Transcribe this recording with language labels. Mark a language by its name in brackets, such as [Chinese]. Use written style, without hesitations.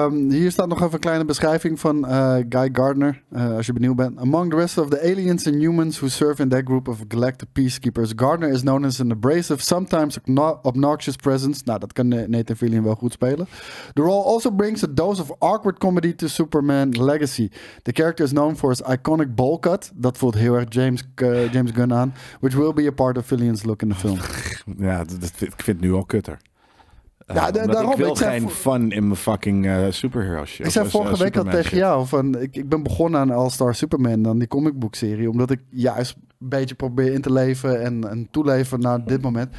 [Dutch] Hier staat nog even een kleine beschrijving van Guy Gardner, als je benieuwd bent. [English] Among the rest of the aliens and humans who serve in that group of galactic peacekeepers, Gardner is known as an abrasive, sometimes obnoxious presence. [Dutch] Nou, dat kan Nathan Fillion wel goed spelen. [English] The role also brings a dose of awkward comedy to Superman Legacy. The character is known for his iconic bowl cut. [Dutch] Dat voelt heel erg James Gunn aan. [English] Which will be a part of Fillion's look in the film. [Dutch] Ja, ik vind het nu al kutter. Ja, daarom, ik wil geen fun in mijn fucking superhero shit. Ik zei vorige week al tegen jou van ik ben begonnen aan All-Star Superman, dan die comic book serie, omdat ik juist een beetje probeer in te leven en toeleven naar dit moment.